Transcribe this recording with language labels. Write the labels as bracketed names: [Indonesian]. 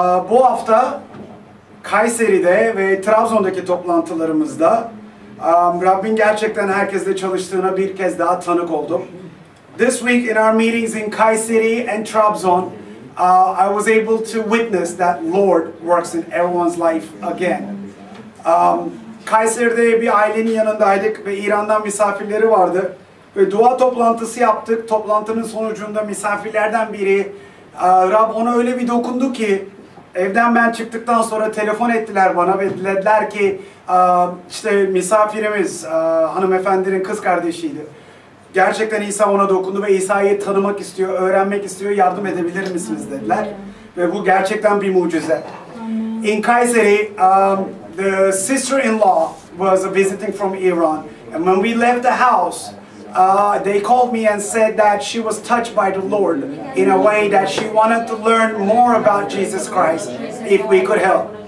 [Turkish] Bu hafta Kayseri'de ve Trabzon'daki toplantılarımızda Rabbin gerçekten herkesle çalıştığına bir kez daha tanık oldum. [English] This week in our meetings in Kayseri and Trabzon, I was able to witness that Lord works in everyone's life again. [Turkish] Kayseri'de bir ailenin yanındaydık ve İran'dan misafirleri vardı. Ve dua toplantısı yaptık. Toplantının sonucunda misafirlerden biri, Rab ona öyle bir dokundu ki, evden ben çıktıktan sonra telefon ettiler bana ve dediler ki işte misafirimiz hanımefendinin kız kardeşiydi. Gerçekten İsa ona dokundu ve İsa'yı tanımak istiyor, öğrenmek istiyor, yardım edebilir misiniz dediler. Ve bu gerçekten bir mucize. [English] In Kayseri, the sister-in-law was visiting from Iran. And when we left the house, they called me and said that she was touched by the Lord in a way that she wanted to learn more about Jesus Christ if we could help.